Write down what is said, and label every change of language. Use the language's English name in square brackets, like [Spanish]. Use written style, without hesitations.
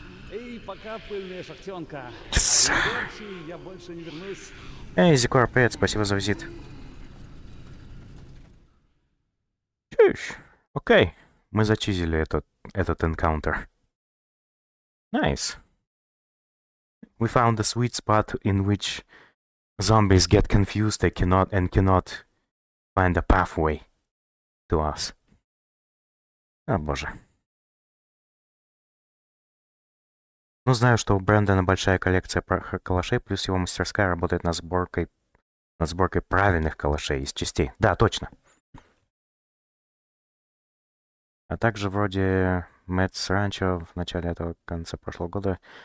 [Russian] Эй, пока, пыльная шахтёнка! [English] Yes! [Russian] Я больше не вернусь. Эй, Зикор, привет, спасибо за визит. Чиш! Окей, мы зачизили этот энкаунтер. Найс! [English] We found a sweet spot in which zombies get confused, they cannot and cannot find a pathway to us. [Russian] О боже. Ну, знаю, что у Брэндона большая коллекция калашей, плюс его мастерская работает над сборкой правильных калашей из частей. Да, точно. А также вроде Мэтс Ранчо в начале этого конца прошлого года.